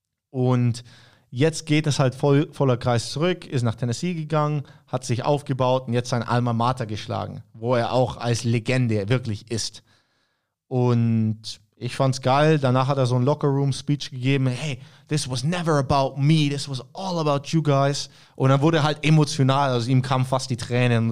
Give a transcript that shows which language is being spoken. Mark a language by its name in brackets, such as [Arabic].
[German] Und jetzt geht es halt voller Kreis zurück, ist nach Tennessee gegangen, hat sich aufgebaut und jetzt sein Alma Mater geschlagen, wo er auch als Legende wirklich ist. Und ich fand's geil. Danach hat er so ein Locker-Room-Speech gegeben. [English] Hey, this was never about me. This was all about you guys. [German] Und dann wurde er halt emotional. Also ihm kamen fast die Tränen.